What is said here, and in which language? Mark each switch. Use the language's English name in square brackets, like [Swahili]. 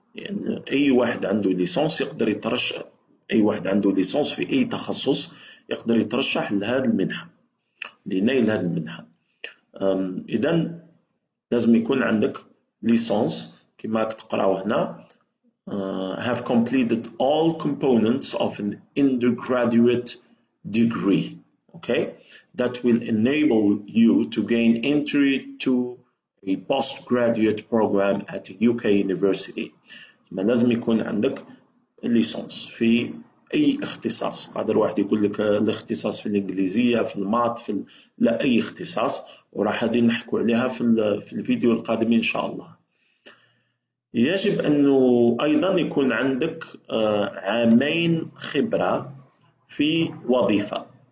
[Arabic] يعني أي واحد عنده ليسونس يقدر يترشح، أي واحد عنده ليسونس في أي تخصص يقدر يترشح لهذه المنحة، لنيل هذه المنحة. إذن لازم يكون عندك ليسونس كما تقرأه هنا. [English] Have completed all components of an undergraduate degree. Okay, that will enable you to gain entry to a postgraduate program at a UK university. [Arabic] ما لازم يكون عندك ليسونس في أي اختصاص. قادر واحد يقول لك الاختصاص في الإنجليزية، في المات، في لا أي اختصاص، وراح هذه نحكوا عليها في الفيديو القادم إن شاء الله. يجب أنه أيضا يكون عندك 2 عامين خبرة في وظيفة.